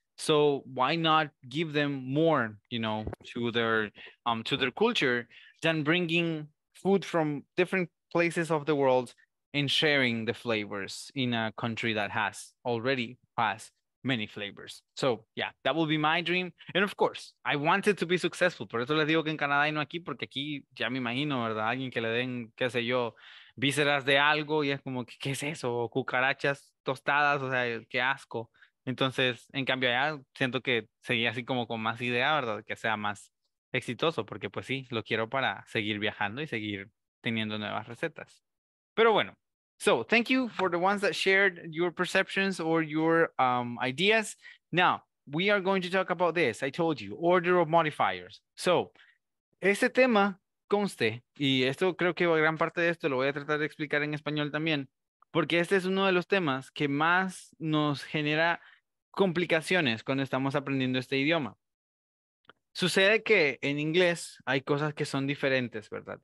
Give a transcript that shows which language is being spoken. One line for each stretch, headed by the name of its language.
English: So why not give them more, you know, to their culture than bringing food from different places of the world and sharing the flavors in a country that has already passed many flavors. So yeah, that will be my dream. And of course, I wanted to be successful.
Spanish: Por eso les digo que en Canadá y no aquí, porque aquí ya me imagino, ¿verdad? Alguien que le den, qué sé yo, vísceras de algo y es como, ¿qué es eso? O cucarachas tostadas, o sea, qué asco. Entonces, en cambio allá, siento que sería así como con más idea, ¿verdad? Que sea más exitoso, porque pues sí, lo quiero para seguir viajando y seguir teniendo nuevas recetas. Pero bueno,
English: so thank you for the ones that shared your perceptions or your ideas. Now, we are going to talk about this. I told you, order of modifiers.
Spanish: So, este tema conste, y esto creo que gran parte de esto lo voy a tratar de explicar en español también, porque este es uno de los temas que más nos genera complicaciones cuando estamos aprendiendo este idioma. Sucede que en inglés hay cosas que son diferentes, ¿verdad?